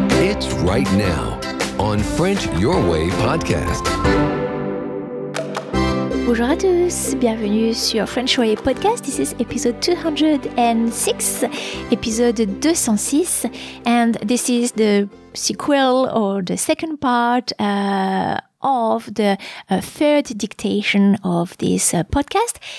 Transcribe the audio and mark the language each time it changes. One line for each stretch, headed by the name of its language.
English: It's right now on French Your Way podcast.
French: Bonjour à tous, bienvenue sur French Way Podcast.
English: This is episode 206, episode 206, and this is the sequel or the second part of the third dictation of this podcast.